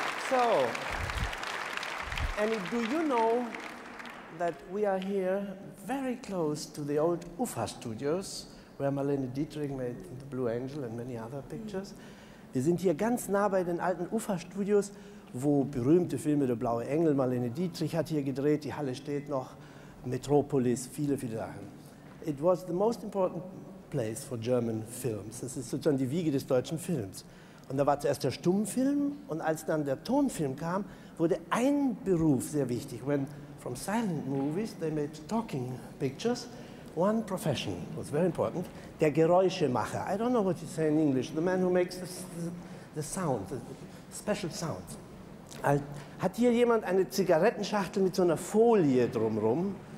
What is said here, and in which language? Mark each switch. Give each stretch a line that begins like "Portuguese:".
English: So, and do you know that we are here very close to the old UFA studios where Marlene Dietrich made the Blue Angel and many other pictures? Mm.
German: Wir sind hier ganz nah bei den alten UFA studios, wo berühmte Filme Der Blaue Engel, Marlene Dietrich hat hier gedreht, die Halle steht noch, Metropolis, viele, viele Sachen.
English: It was the most important place for German films.
German: Das ist sozusagen die Wiege des deutschen Films. Und da war zuerst der Stummfilm und als dann der Tonfilm kam, wurde ein Beruf sehr wichtig.
English: When from silent movies, they made talking pictures, one profession was very important, der Geräuschemacher. I don't know what you say in English, the man who makes the sound, the special sound.
German: Hat hier jemand eine Zigarettenschachtel mit so einer Folie drumherum?